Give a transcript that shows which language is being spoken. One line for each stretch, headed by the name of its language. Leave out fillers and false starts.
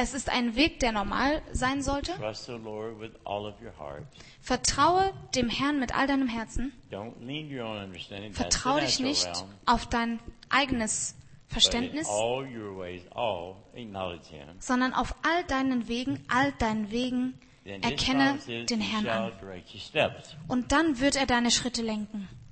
German: Es ist ein Weg, der normal sein sollte.
English: Trust the Lord with all of your heart.
German: Vertraue dem Herrn mit all deinem Herzen.
English: Don't lean your own understanding.
German: Vertraue dich nicht auf dein eigenes Verständnis, sondern auf all deinen Wegen erkenne den Herrn an. Und dann wird er deine Schritte lenken.